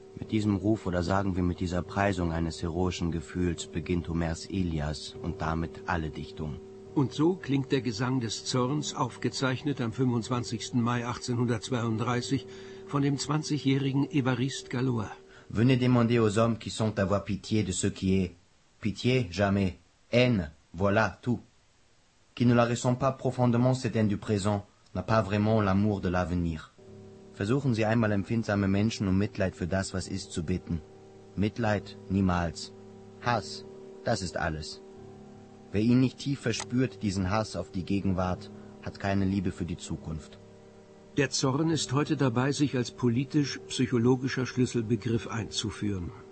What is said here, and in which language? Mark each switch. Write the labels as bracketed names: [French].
[German] Mit diesem Ruf oder sagen wir mit dieser Preisung eines heroischen Gefühls beginnt Homers Ilias und damit alle Dichtung. Und so klingt der Gesang des Zorns, aufgezeichnet am 25. Mai 1832, von dem 20-jährigen Évariste Galois. [French] Venez demander aux hommes qui sont avoir pitié de ce qui est. Pitié, jamais. Haine, voilà tout. Qui ne la ressent pas profondément cette haine du présent, n'a pas vraiment l'amour de l'avenir. [German] Versuchen Sie einmal empfindsame Menschen um Mitleid für das, was ist, zu bitten. Mitleid, niemals. Hass, das ist alles. Wer ihn nicht tief verspürt, diesen Hass auf die Gegenwart, hat keine Liebe für die Zukunft. Der Zorn ist heute dabei, sich als politisch-psychologischer Schlüsselbegriff einzuführen.